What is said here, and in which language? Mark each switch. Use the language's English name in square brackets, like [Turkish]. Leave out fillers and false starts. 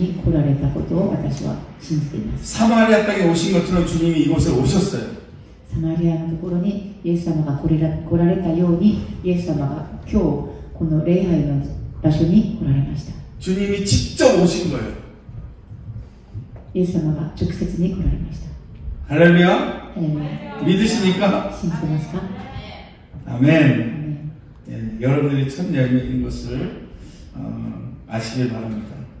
[Japanese] で、今日の礼拝の中で私たちが賛美している間に本当にイエス様がこの場所に来られたことを私は信じています。 [Korean] 사마리아 땅에 오신 것처럼 주님이 이곳에 오셨어요. [Japanese] 사마리아のところにイエス様が来られたように、イエス様が今日この礼拝の場所に来られました。 [Korean] 주님이 직접 오신 거예요. 예수님이 직접이 오셨습니다. 할렐루야. 믿으십니까? 신실하십니까? 아멘. 예, 여러분들이 첫 열매인 것을 아시길 바랍니다.